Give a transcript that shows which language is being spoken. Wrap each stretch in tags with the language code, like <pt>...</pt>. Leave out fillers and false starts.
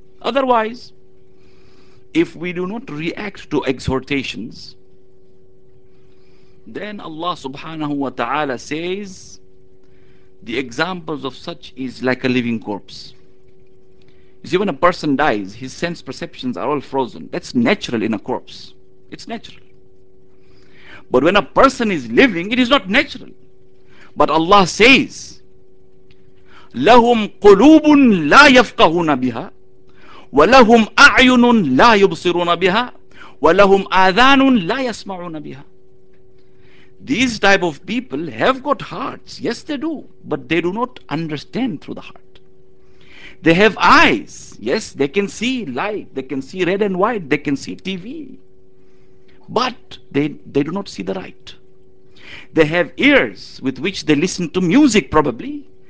<en>Otherwise, if we do not react to exhortations, then Allah subhanahu wa ta'ala says, the examples of such is like a living corpse. You see, when a person dies, his sense perceptions are all frozen. That's natural in a corpse. It's natural. But when a person is living, it is not natural. But Allah says,</en> <ar>لَهُمْ قُلُوبٌ لَا يَفْقَهُونَ بِهَا وَلَهُمْ أَعْيُنٌ لَا يُبْصِرُونَ بِهَا وَلَهُمْ آذَانٌ لَا يَسْمَعُونَ بِهَا.</ar> <en>These type of people have got hearts. Yes, they do. But they do not understand through the heart. They have eyes. Yes, they can see light. They can see red and white. They can see TV. But they do not see the right. They have ears with which they listen to music probably.</en>